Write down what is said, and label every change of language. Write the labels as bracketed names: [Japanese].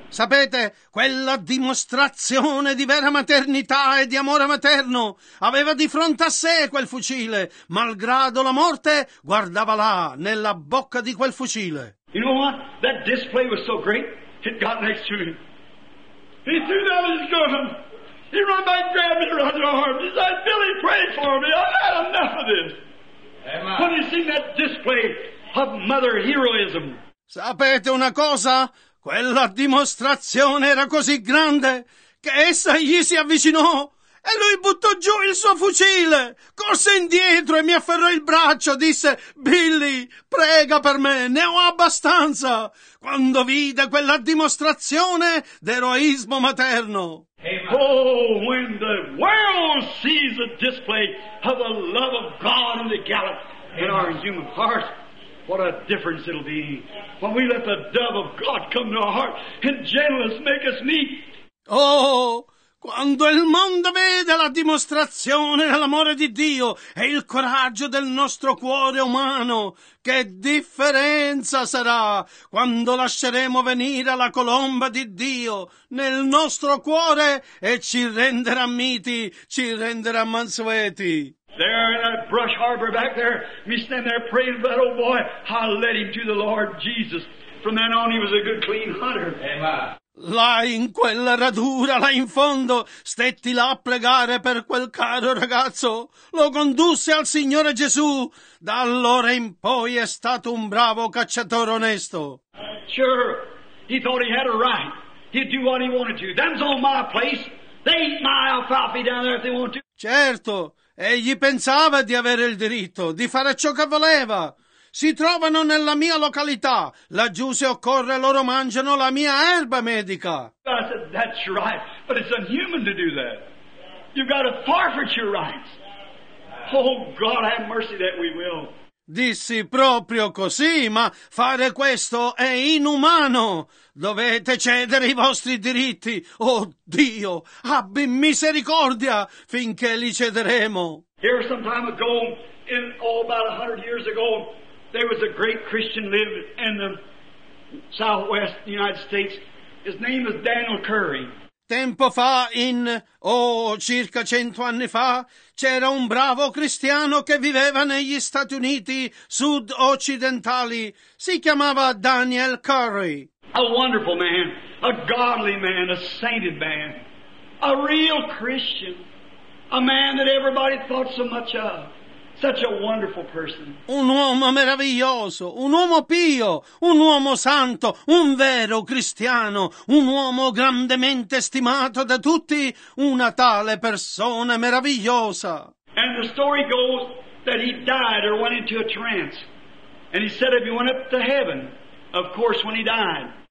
[Italian] Sapete, quella dimostrazione di vera maternità e di amore materno. Aveva di fronte a sé quel fucile. Malgrado la morte, guardava là, nella bocca di quel fucile. [English] You know what? That display was so great, it got next to him. He threw down his gun. He ran back, grabbed me around the arms. He said, Billy, pray for me. I've had enough of this. When you see that display of mother heroism. [Italian] Sapete una cosa? Quella dimostrazione era così grande che essa gli si avvicinò e lui buttò giù il suo fucile, corse indietro e mi afferrò il braccio, disse, Billy, prega per me, ne ho abbastanza. Quando vide quella dimostrazione d'eroismo materno. [English] Oh, when the world sees the display of the love of God in the gallop in our human heart. What a difference it'll be when we let the dove of God come to our heart and gentleness make us meet. [Italian] Oh, quando il mondo vede la dimostrazione dell'amore di Dio e il coraggio del nostro cuore umano, che differenza sarà quando lasceremo venire la colomba di Dio nel nostro cuore e ci renderà miti, ci renderà mansueti. [English] There in that brush harbor back there, me stand there praying for that old boy. I led him to the Lord Jesus. From then on he was a good clean hunter. Amen. [Italian] Là in quella radura, là in fondo, stetti là a pregare per quel caro ragazzo. Lo condusse al Signore Gesù. Da allora in poi è stato un bravo cacciatore onesto. [English] Sure, he thought he had a right. He'd do what he wanted to. Them's on my place. They eat my alfalfa down there if they want to. [Italian] Certo. Egli pensava di avere il diritto di fare ciò che voleva. Si trovano nella mia località. Laggiù, se occorre, loro mangiano la mia erba medica. [English] Said, that's right, but it's unhuman to do that. You've got to forfeit your rights. Oh, God, have mercy that we will. [Italian] Dissi proprio così, ma fare questo è inumano. Dovete cedere i vostri diritti. Oh Dio, abbi misericordia finché li cederemo. [English] Here some time ago, in about 100 years ago, there was a great Christian lived in the southwest United States. His name was Daniel Curry. [Italian] Tempo fa, in circa 100 anni fa, c'era un bravo cristiano che viveva negli Stati Uniti sud-occidentali. Si chiamava Daniel Curry. [English] A wonderful man, a godly man, a sainted man, a real Christian, a man that everybody thought so much of, Such a wonderful person. [Italian] Un uomo meraviglioso, un uomo pio, un uomo santo, un vero cristiano, un uomo grandemente stimato da tutti, una tale persona meravigliosa. [English] And the story goes that he died or went into a trance. And he said if he went up to heaven, of course when he died.